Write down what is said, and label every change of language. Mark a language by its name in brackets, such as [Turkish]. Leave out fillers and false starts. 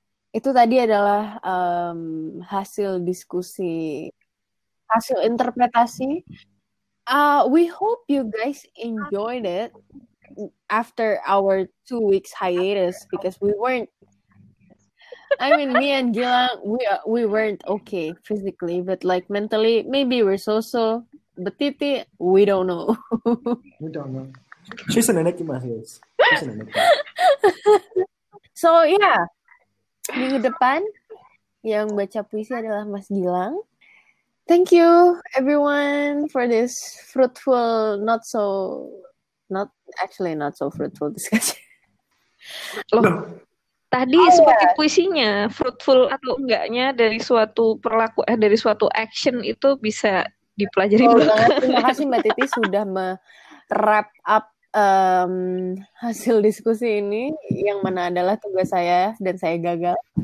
[Indonesian] Itu tadi adalah hasil diskusi, hasil interpretasi [English] We hope you guys enjoyed it after our 2 weeks hiatus, because we weren't, I mean, me and Gilang, we weren't okay physically, but like mentally, maybe we're so-so, but Titi, we don't know. We don't know. She's an enigmatist. So, yeah. [Indonesian] Minggu depan, yang baca puisi adalah Mas Gilang. [English] Thank you, everyone, for this fruitful, not so fruitful discussion. [Indonesian] Loh, tadi oh, seperti yeah. Puisinya, fruitful atau enggaknya dari suatu perlakuan, dari suatu action itu bisa dipelajari. Oh, terima kasih Mbak Titi sudah me-wrap up hasil diskusi ini, yang mana adalah tugas saya dan saya gagal.